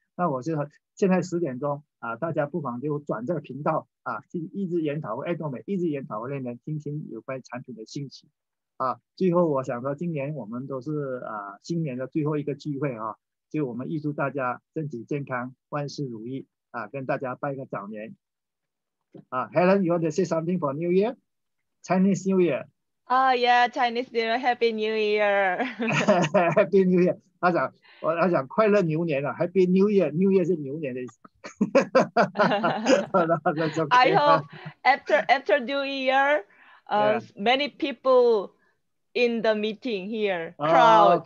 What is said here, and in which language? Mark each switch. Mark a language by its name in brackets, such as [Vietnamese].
[Chinese] 那我觉得现在十点钟啊，大家不妨就转这个频道啊，去一直研讨会爱多美，一直研讨会那边听听有关产品的信息啊。最后我想说，今年我们都是新年的最后一个聚会啊，就我们预祝大家身体健康，万事如意啊，跟大家拜个早年啊。 [English] Helen, you want to say something for New Year? Chinese New Year? Oh yeah, Chinese New Year, Happy New Year. Happy New Year. [Chinese] 我想快乐牛年了， [English] Happy New Year, New Year [Chinese] 是牛年的意思。 [English] okay. I hope after New Year, many people in the meeting here, crowd.